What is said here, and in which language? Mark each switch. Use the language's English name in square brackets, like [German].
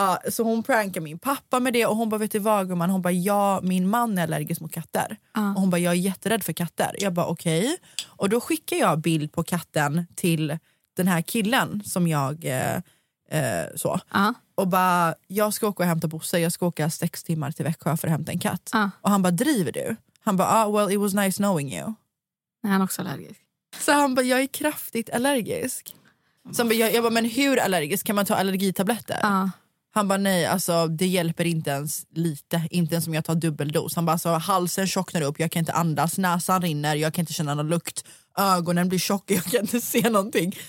[Swedish] Så hon prankade min pappa med det. Och hon bara, vet du vad, gumman? Hon bara, ja, min man är allergisk mot katter. Och hon bara, jag är jätterädd för katter. Jag bara, okej. Okay. Och då skickar jag bild på katten till den här killen som jag så. Och bara, jag ska åka och hämta Bosse. Jag ska åka 6 timmar till Växjö för att hämta en katt. Och han bara, driver du? Han bara, [English] well, it was nice knowing you. [Swedish] Nej, han är också allergisk. Så han bara, jag är kraftigt allergisk. Så han bara, jag bara, men hur allergisk? Kan man ta allergitabletter? Han bara, nej, alltså det hjälper inte ens lite. Inte ens om jag tar dubbeldos. Han bara, så alltså, halsen tjocknar upp, jag kan inte andas. Näsan rinner, jag kan inte känna någon lukt. Ögonen blir tjocka, jag kan inte se någonting.